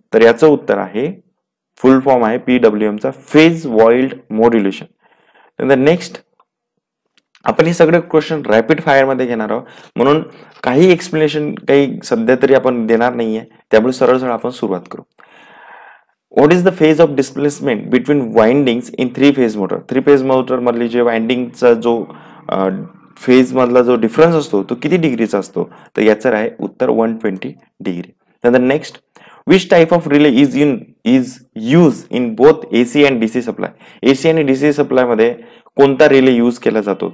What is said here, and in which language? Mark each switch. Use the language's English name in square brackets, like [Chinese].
[Marathi] तर याचं उत्तर आहे, फुल फॉर्म आहे P W एमचा, phase वॉइल्ड modulation. Next आपण हे सगळे क्वेश्चन रॅपिड फायर मध्ये घेणार आहोत, म्हणून काही एक्सप्लेनेशन काही सध्या तरी आपण देणार नाहीये, त्यामुळे सरळ सरळ आपण सुरुवात करू. [English] What is the phase of displacement between winding in three phase motor? [Marathi] Three phase motor मधली जे वाइंडिंगचा जो फेज मधला जो डिफरन्स असतो तो किती डिग्रीचा असतो? तर याचं आहे उत्तर 120 डिग्री. त्यानंतर [English] Next, which type of relay is use in both AC and DC supply? [Marathi] AC आणि डीसी सप्लायमध्ये कोणता रिले यूज केला जातो?